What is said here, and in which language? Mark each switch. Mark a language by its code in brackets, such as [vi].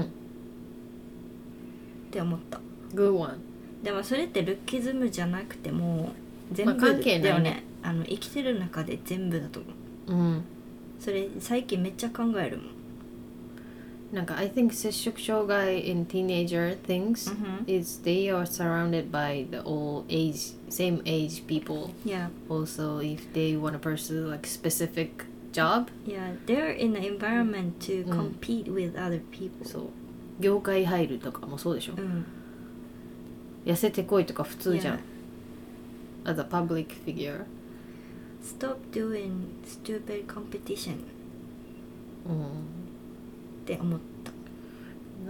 [ja] って思った [en] Good one. [ja] でもそれってルッキズムじゃなくても全部だよ ね,、まあ、ねあの生きてる中で全部だと思う、うん、それ最近めっちゃ考えるもんなんか [en] I think 摂食障害 in teenager things、 mm-hmm. is they are surrounded by the old age same age people yeah also if they want to pursue like specific job yeah they're in the environment to compete、 [ja] うん、 [en] with other people [ja] そう業界入るとかもそうでしょ、うん痩せてこいとか普通じゃん、 [en] yeah. As a public figure Stop doing stupid competition、 [ja] うん、って思った